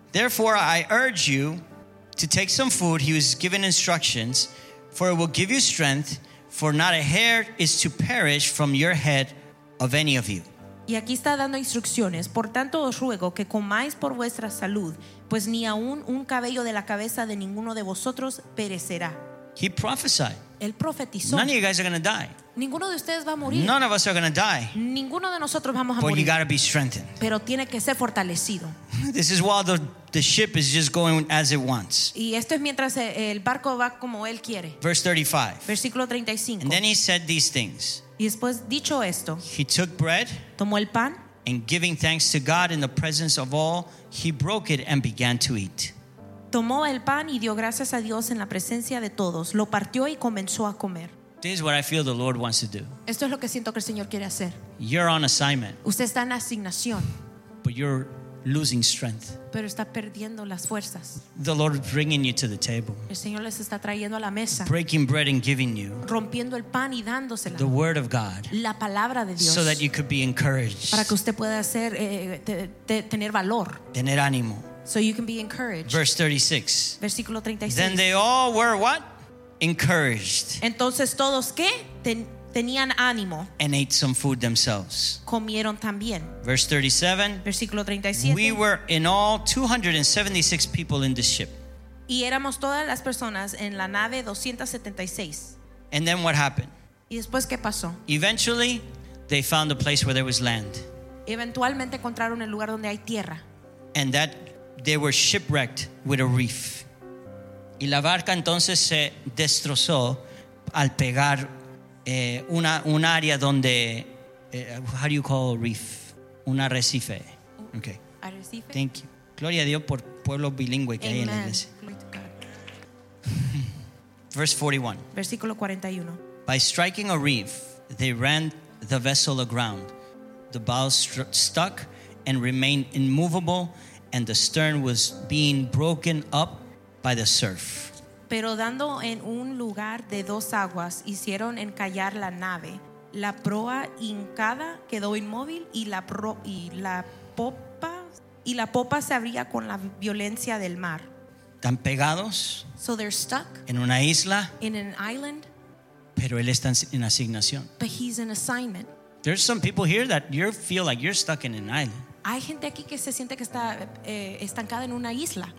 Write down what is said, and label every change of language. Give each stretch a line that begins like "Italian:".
English: Therefore, I urge you to take some food. He was given instructions, for it will give you strength. For not a hair is to perish from your head of any of you.
Spanish: Y aquí está dando instrucciones. Por tanto, os ruego que comáis por vuestra salud, pues ni aún un cabello de la cabeza de ninguno de vosotros perecerá.
English: He prophesied.
Spanish: Él profetizó.
English: None of you guys are going to die.
Spanish: Ninguno de ustedes va a morir.
English: None of us are going to die.
Spanish: Ninguno de nosotros vamos a morir.
English: But you got to be strengthened.
Spanish: Pero tiene que ser fortalecido.
English: This is while the ship is just going as it wants.
Spanish: Y esto es mientras el barco va como él quiere.
English: Verse 35.
Spanish: Versículo 35.
English: And then he said these things.
Spanish: Y después dicho esto.
English: He took bread.
Spanish: Tomó el pan.
English: And giving thanks to God in the presence of all, he broke it and began to eat.
Spanish: Tomó el pan y dio gracias a Dios en la presencia de todos. Lo partió y comenzó a comer.
English: This is what I feel the Lord wants to do.
Spanish: Esto es lo que siento que el Señor quiere hacer.
English: You're on assignment.
Spanish: Usted está en asignación.
English: But you're losing strength.
Spanish: Pero está perdiendo las fuerzas.
English: The Lord is bringing you to the table.
Spanish: El Señor les está trayendo a la mesa.
English: Breaking bread and giving you.
Spanish: Rompiendo el pan y dándosela.
English: The word of God.
Spanish: La palabra de Dios.
English: So that you could be encouraged.
Spanish: Para que usted pueda ser tener valor. Tener ánimo.
English: So you can be encouraged. Verse 36.
Spanish: Versículo 36.
English: Then they all were what? Encouraged.
Spanish: Entonces todos qué? Tenían ánimo.
English: And ate some food themselves.
Spanish: Comieron también.
English: Verse 37.
Spanish: Versículo 37.
English: We were in all 276 people in this ship.
Spanish: Y éramos todas las personas en la nave 276.
English: And then what happened?
Spanish: Y después qué pasó?
English: Eventually, they found a place where there was land.
Spanish: Eventualmente encontraron el lugar donde hay tierra.
English: And that they were shipwrecked with a reef.
Spanish: Y la barca entonces se destrozó al pegar un área donde,
English: how do you call a reef?
Spanish: Un arrecife. Okay. Arrecife.
English: Thank you.
Spanish: Gloria a Dios por pueblo bilingüe que
English: Amen.
Spanish: Hay en la iglesia.
English: Verse 41.
Spanish: Versículo 41.
English: By striking a reef, they ran the vessel aground. The bow stuck and remained immovable, and the stern was being broken up by the surf.
Spanish: Pero dando en un lugar de dos aguas, hicieron encallar la nave. La proa hincada quedó inmóvil y la popa se abría con la violencia del mar. Están pegados.
English: So they're stuck.
Spanish: En una isla.
English: In an island.
Spanish: Pero él está en asignación.
English: But he's in assignment. There's some people here that you feel like you're stuck in an island.
Spanish: Hay gente aquí que se siente que está estancada en una isla.